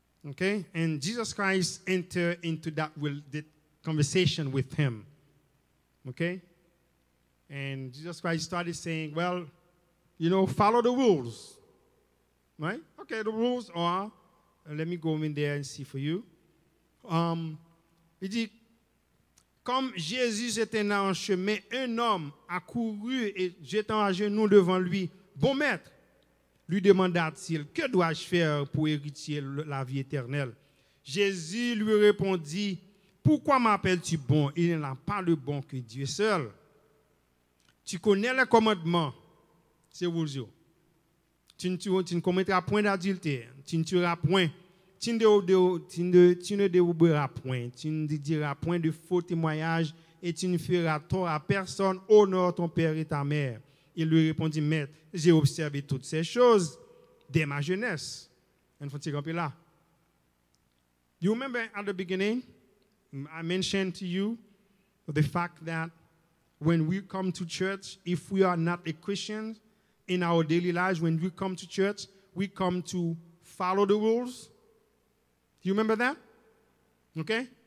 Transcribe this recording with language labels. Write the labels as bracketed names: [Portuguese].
[English] Okay, and Jesus Christ enter into that conversation with him. Okay, and Jesus Christ started saying, well, you know, follow the rules. Right? Okay, the rules are, let me go in there and see for you. [French] Il dit, comme Jésus était en chemin, un homme a couru et jetant à genoux devant lui, bon maître, lui demanda-t-il, que dois-je faire pour hériter la vie éternelle? Jésus lui répondit, pourquoi m'appelles-tu bon? Il n'y a pas le bon que Dieu seul. Tu connais les commandements, c'est vous. Tu ne commettras point d'adultère, tu ne tueras point, tu ne dérouberas point, tu ne diras point de faux témoignages et tu ne feras tort à personne, honore ton père et ta mère. Il lui répondit, maître, j'ai observé toutes ces choses dès ma jeunesse. Un petit rappel là. [English] You remember at the beginning, I mentioned to you the fact that when we come to church, if we are not a Christian, in our daily lives, when we come to church, we come to follow the rules. Do you remember that? Okay?